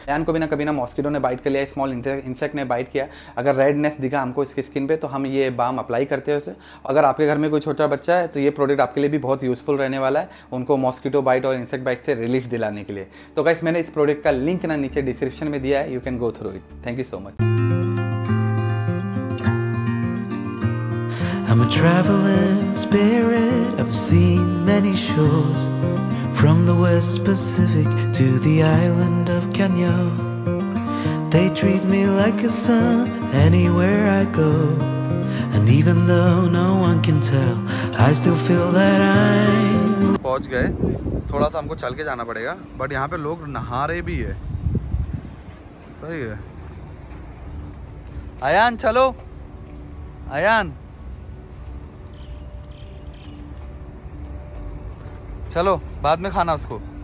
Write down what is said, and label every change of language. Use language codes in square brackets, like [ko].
[hi] N को भी ना कभी ना मॉस्किटो ने बाइट कर लिया, स्मॉल इंसेक्ट ने बाइट किया, अगर रेडनेस दिखा हमको इसकी स्किन पे तो हम ये बाम अप्लाई करते हैं उसे। अगर आपके घर में कोई छोटा बच्चा है तो ये प्रोडक्ट आपके लिए भी बहुत यूजफुल रहने वाला है उनको मॉस्किटो बाइट और इंसेक्ट बाइट से रिलीफ दिलाने के लिए। तो गाइस मैंने इस प्रोडक्ट का लिंक ना नीचे डिस्क्रिप्शन में दिया है, [en] You can go through it. Thank you so much. I'm a traveling spirit, I've seen many shows, from the West Pacific to the island of Kenya. They treat me like a son anywhere I go, and even though no one can tell, I still feel that I'm... [hi] पहुंच गए, थोड़ा सा हमको चल के जाना पड़ेगा, but यहाँ पे लोग नहा रहे भी है। सही है अयान, चलो अयान, चलो बाद में खाना उसको।